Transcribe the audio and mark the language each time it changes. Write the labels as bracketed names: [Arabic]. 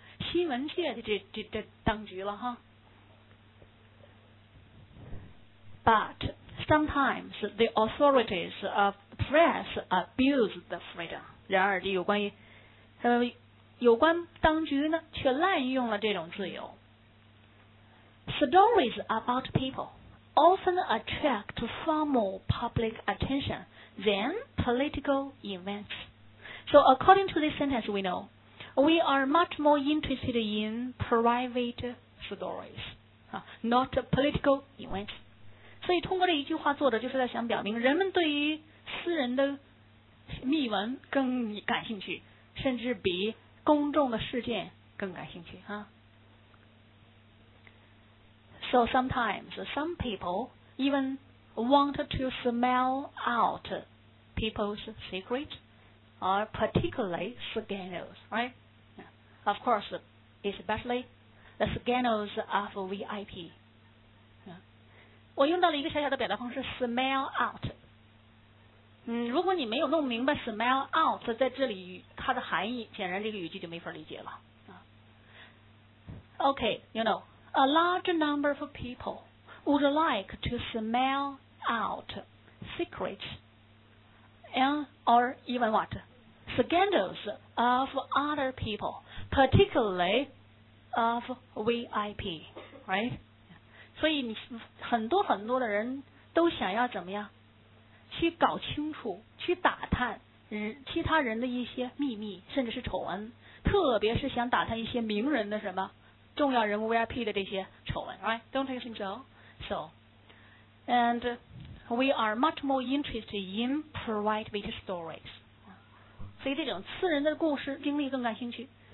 [Chinese] 新闻界的这当局了哈。 [English] But sometimes the authorities of press abuse the freedom。 [Chinese] 然而有关于有关当局呢，却滥用了这种自由。 [English] Stories about people often attract far more public attention than political events。 So according to this sentence we know we are much more interested in private stories not political events。 [Chinese] 所以通过这一句话做的就是在想表明人们对于私人的秘闻更感兴趣，甚至比公众的事件更感兴趣啊。 [English] So sometimes some people even want to smell out people's secrets or particularly scandals, right? Of course, especially the scandals of VIP。 [Chinese] 我用到了一个小小的表达方式 smell out。如果你没有弄明白 smell out 在这里它的含义，显然这个语句就没法理解了。 [English] OK， you know a large number of people would like to smell out secrets and or even what scandals of other people particularly of VIP， right？ [Chinese] 所以你很多很多的人都想要怎么样去搞清楚，去打探其他人的一些秘密甚至是丑闻，特别是想打探一些名人的什么重要人物 VIP 的这些丑闻， [English] right？ Don't you think so？ So and we are much more interested in private stories， [Chinese] 所以这种私人的故事经历更感兴趣。